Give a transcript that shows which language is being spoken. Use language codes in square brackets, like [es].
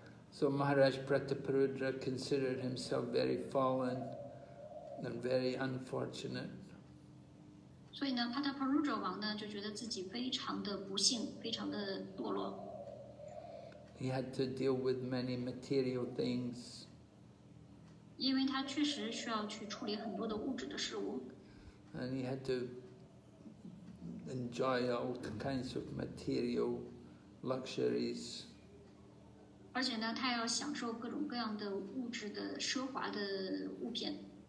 [en] So Maharaj Prataparudra considered himself very fallen and very unfortunate. [zh] 所以呢, Prataparudra 王呢, 就觉得自己非常的不幸, 非常的堕落。 [en] He had to deal with many material things. [zh] 因为他确实需要去处理很多的物质的事物。 [en] And he had to enjoy all kinds of material luxuries. [zh] 而且呢, 他要享受各种各样的物质的奢华的物品。